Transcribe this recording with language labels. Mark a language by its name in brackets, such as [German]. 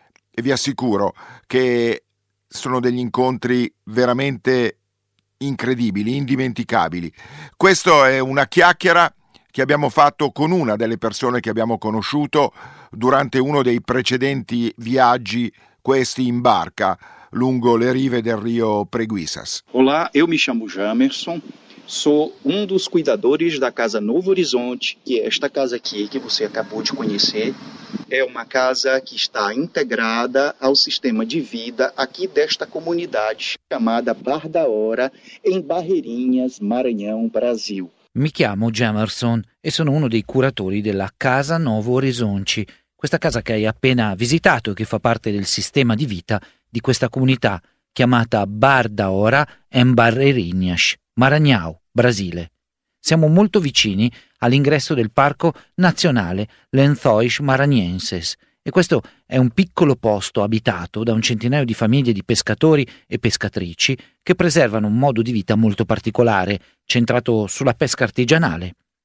[Italian] E vi assicuro che sono degli incontri veramente incredibili, indimenticabili. Questa è una chiacchiera che abbiamo fatto con una delle persone che abbiamo conosciuto durante uno dei precedenti viaggi, questi in barca lungo le rive del rio Preguiças. [Portuguese] Olá, eu me chamo Jamerson, sou um dos cuidadores da casa Novo Horizonte, que é esta casa aqui que você acabou de conhecer. É uma casa que está integrada ao sistema de vida aqui desta comunidade chamada Bar da Hora, em Barreirinhas, Maranhão, Brasil. [Italian] Mi chiamo Jamerson e sono uno dei curatori della Casa Novo Horizonte, questa casa che hai appena visitato e che fa parte del sistema di vita di questa comunità chiamata Bar da Hora, em Barreirinhas, Maranhão, Brasile. Siamo molto vicini all'ingresso del parco nazionale Lençóis Maranhenses e questo è un piccolo posto abitato da un centinaio di famiglie di pescatori e pescatrici che preservano un modo di vita molto particolare, centrato sulla pesca artigianale.